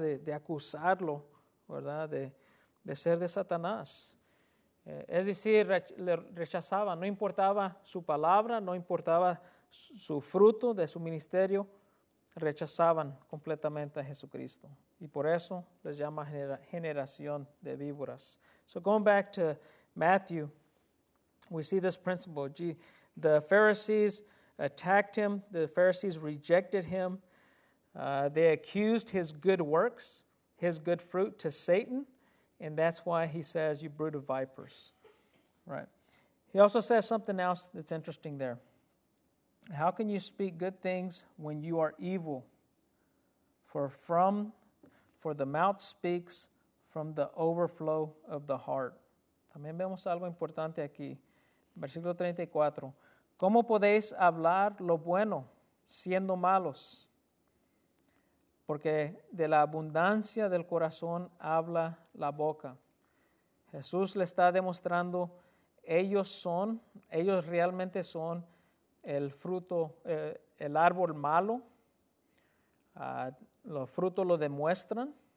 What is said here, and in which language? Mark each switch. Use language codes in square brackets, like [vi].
[es] De acusarlo, ¿verdad? De ser de Satanás. Es decir, le rechazaban. No importaba su palabra, no importaba su fruto de su ministerio. Rechazaban completamente a Jesucristo. Y por eso les llama generación de víboras. [en] So going back to Matthew, we see this principle. The Pharisees attacked him. The Pharisees rejected him. They accused his good works, his good fruit, to Satan. And that's why he says, "You brood of vipers." Right. He also says something else that's interesting there. "How can you speak good things when you are evil? For the mouth speaks from the overflow of the heart." [es] También vemos algo importante aquí. Versículo 34. "¿Cómo podéis hablar lo bueno siendo malos? Porque de la abundancia del corazón habla la boca." Jesús le está demostrando, ellos realmente son el fruto, el árbol malo, los frutos lo demuestran.